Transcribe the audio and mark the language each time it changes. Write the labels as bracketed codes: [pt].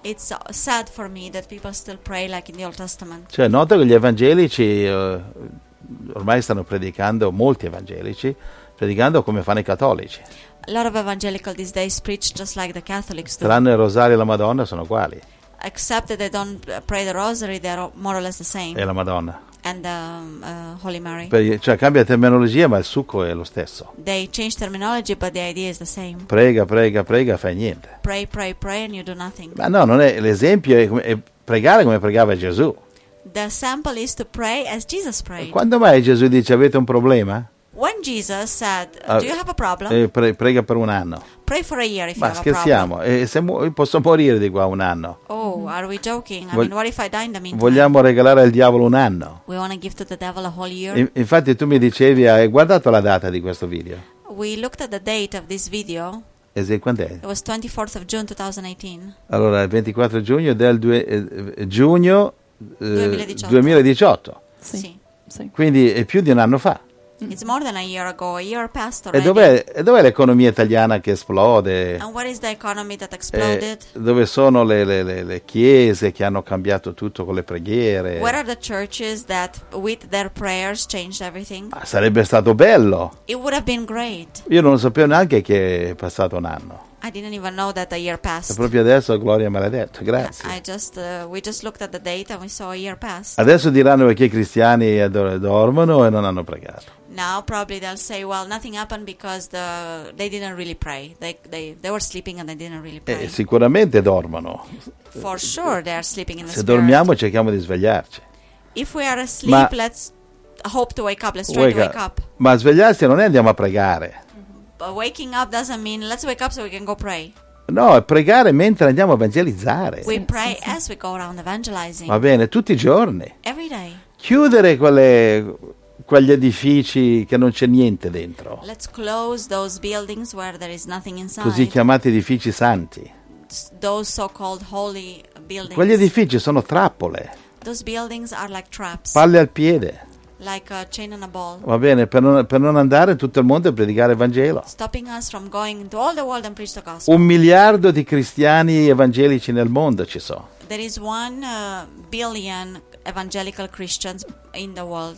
[en] It's sad for me that people still pray like in the Old Testament. [it] Cioè noto che gli evangelici, ormai stanno predicando, molti evangelici, predicando come fanno i cattolici. [en] A lot of evangelical these days preach just like the Catholics do. [it] Tranne il Rosario e la Madonna sono uguali. [en] Except that they don't pray the rosary, they are more or less the same. [it] E la Madonna. [en] And the Holy Mary. [it] Cioè cambia terminologia, ma il succo è lo stesso. [en] They change terminology, but the idea is the same. [it] Prega, prega, prega, fai niente. [en] Pray, pray, pray, and you do nothing. [it] Ma no, non è l'esempio è pregare come pregava Gesù. [en] The sample is to pray as Jesus prayed. [it] Quando mai Gesù dice avete un problema? [en] When Jesus said, do you have a problem? [it] Prega per un anno. [en] Pray for a year if [it] ma [en] you have a problem. [it] Ma scherziamo, posso morire di qua un anno. [en] Oh, are we joking? I mean, what if I die in the meantime? [it] Vogliamo regalare al diavolo un anno. [en] We want to give to the devil a whole year. [it] Infatti tu mi dicevi, hai guardato la data di questo video? [en] We looked at the date of this video. [it] E se quando è? [en] It was 24th of June 2018. [it] Allora, il 24 giugno del giugno 2018. Sì. Quindi è più di un anno fa. [en] It's more than a year ago, a year passed already. [it] E dov'è l'economia italiana che esplode? [en] And what is the economy that exploded? [it] Dove sono le chiese che hanno cambiato tutto con le preghiere? [en] Where are the churches that with their prayers changed everything? [it] Ma sarebbe stato bello. [en] It would have been great. [it] Io non sapevo neanche che è passato un anno. [en] I didn't even know that a year passed. [it] Proprio adesso Gloria me l'ha detto, grazie. [en] We just looked at the date and we saw a year passed. [it] Adesso diranno che i cristiani dormono e non hanno pregato. [en] Now probably they'll say, well, nothing happened because they didn't really pray. They were sleeping and they didn't really pray. Sicuramente dormono. For sure they are sleeping in the spirit. [it] Se dormiamo cerchiamo di svegliarci. [en] If we are asleep, let's hope to wake up. Let's try to wake up. [it] Ma svegliarsi non è andiamo a pregare. [en] But waking up doesn't mean let's wake up so we can go pray. [it] No, pregare mentre andiamo a evangelizzare. [en] We pray as we go around evangelizing. [it] Va bene, tutti i giorni. [en] Every day. [it] Chiudere quegli edifici che non c'è niente dentro. [en] Let's close those buildings where there is nothing inside. [it] Così chiamati edifici santi. [en] Those so-called holy buildings. [it] Quegli edifici sono trappole. [en] Those buildings are like traps. [it] Palle al piede. [en] Like a chain on a ball. [it] Va bene, per non andare in tutto il mondo e predicare il Vangelo. [en] Stopping us from going into all the world and preach the gospel. [it] 1 miliardo di cristiani evangelici nel mondo ci sono. [en] There is 1 billion evangelical Christians in the world.